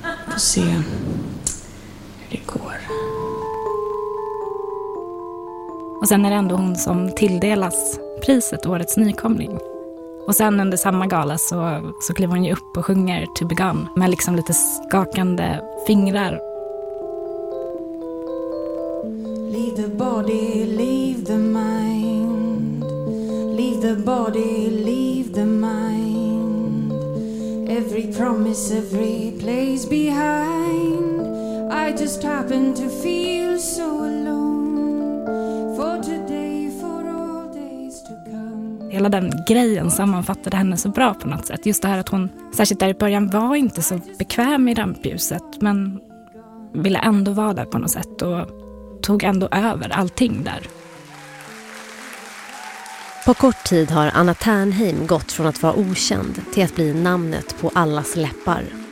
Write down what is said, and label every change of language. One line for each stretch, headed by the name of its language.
Swedish: Får se hur det går. Och sen är det ändå hon som tilldelas priset årets nykomling. Och sen under samma gala så kliver hon ju upp och sjunger To Be Gone med liksom lite skakande fingrar.
English: Leave the body, leave the mind. Leave the body, leave the mind. Every promise, every place behind. I just happen to feel so alone for today, for all days to come.
Swedish: Hela den grejen sammanfattade henne så bra på något sätt. Just det här att hon, särskilt där i början, var inte så bekväm i rampljuset, men ville ändå vara där på något sätt och tog ändå över allting där. På kort tid har Anna Ternheim gått från att vara okänd till att bli namnet på allas läppar.